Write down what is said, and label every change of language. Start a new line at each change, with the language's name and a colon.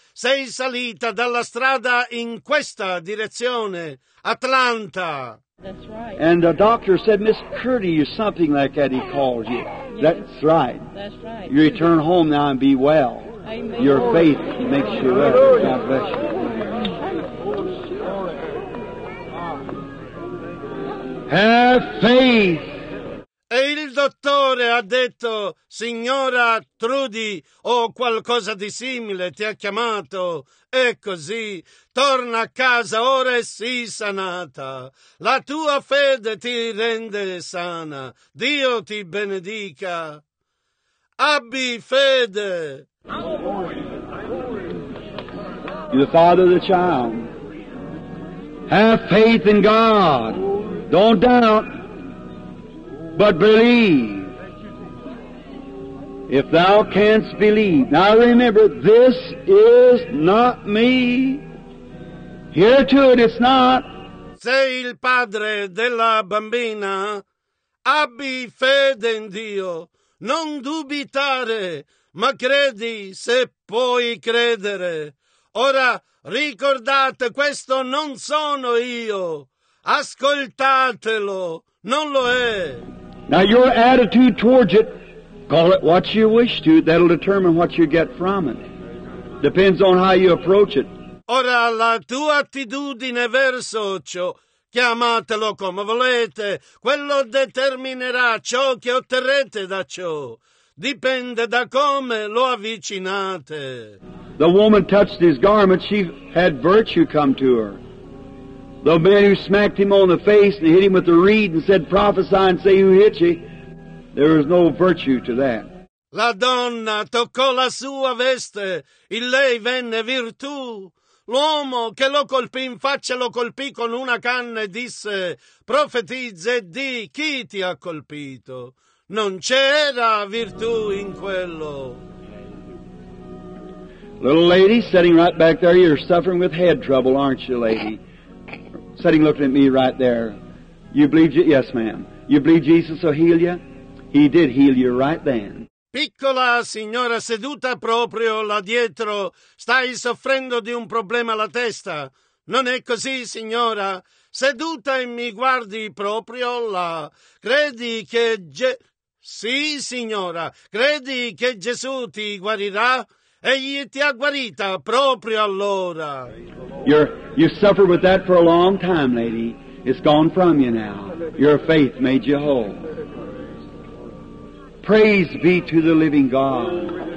Italian: Sei salita dalla strada in questa direzione.
English: Atlanta. That's right. And the doctor said, Miss Curdy, you something like that, he called you. Yes. That's right. That's right. You return home now and be well. Amen. Your faith makes you well. God bless you. Have faith.
Italian: E il dottore ha detto, signora Trudy, o qualcosa di simile, ti ha chiamato. E così, torna a casa, ora e sii sanata. La tua fede ti rende sana. Dio ti benedica. Abbi fede.
English: You're the father of the child. Have faith in God. Don't doubt, but believe. If thou canst believe. Now remember, this is not me. Hear to it, it's not.
Italian: Sei il padre della bambina. Abbi fede in Dio. Non dubitare. Ma credi se puoi credere. Ora ricordate, questo non sono io. Ascoltatelo, non lo è.
English: Now your attitude towards it, call it what you wish to, that'll determine what you get from it. Depends on how you approach it.
Italian: Ora la tua attitudine verso ciò, chiamatelo come volete, quello determinerà ciò che otterrete da ciò. Dipende da come lo avvicinate.
English: The woman touched his garment, she had virtue come to her. The man who smacked him on the face and hit him with the reed and said, prophesy and say who hit you. There is no virtue to that.
Italian: La donna toccò la sua veste, in lei venne virtù. L'uomo che lo colpì in faccia lo colpì con una canna e disse: profetizza e di chi ti ha colpito. Non c'era virtù in quello.
English: Little lady sitting right back there, you're suffering with head trouble, aren't you, lady? Sitting looking at me right there. You believe, yes, ma'am. You believe Jesus will heal you? He did heal you right then.
Italian: Piccola signora seduta proprio là dietro, stai soffrendo di un problema alla testa. Non è così, signora. Seduta e mi guardi proprio là. Credi che... Sì, signora. Credi che Gesù ti guarirà? Egli ti ha guarita proprio allora.
English: You suffered with that for a long time, lady. It's gone from you now. Your faith made you whole. Praise be to the living God.